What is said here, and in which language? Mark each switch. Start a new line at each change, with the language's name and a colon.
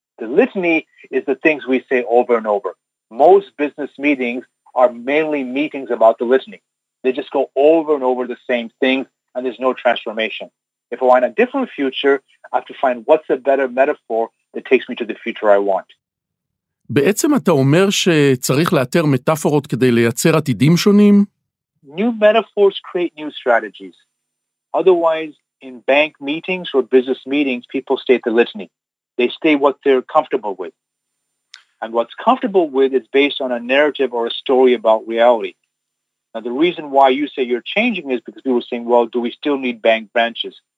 English: The litany is the things we say over and over. Most business meetings are mainly meetings about the litany. They just go over and over the same things, and there's no transformation. If I want a different future, I have to find what's a better metaphor that takes me to the future I want.
Hebrew: בעצם אתה אומר שצריך לאתר מטאפורות כדי לייצר עתידים שונים?
English: New metaphors create new strategies. Otherwise, in bank meetings or business meetings, people stay at the litany. They stay what they're comfortable with. And what's comfortable with is based on a narrative or a story about reality. Now, the reason why you say you're changing is because people are saying, well, do we still need bank branches?